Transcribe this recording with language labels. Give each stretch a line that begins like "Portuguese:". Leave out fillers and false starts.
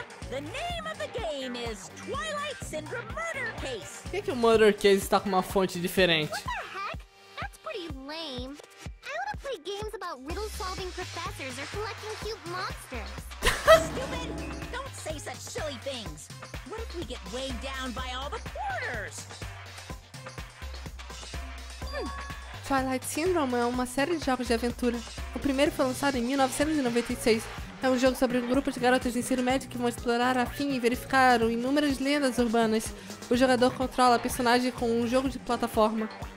English: The name of the game is Twilight Syndrome Murder Case.
Portuguese: Por que que o Murder Case está com uma fonte diferente?
English: What the heck? That's pretty lame. I want to play games about riddle-solving professors or collecting cute monsters. Stupid! Don't say such silly things. What if we get weighed down by all the quarters?
Portuguese: Twilight Syndrome é uma série de jogos de aventura. O primeiro foi lançado em 1996. É um jogo sobre um grupo de garotas de ensino médio que vão explorar a fim e verificar inúmeras lendas urbanas. O jogador controla a personagem com um jogo de plataforma.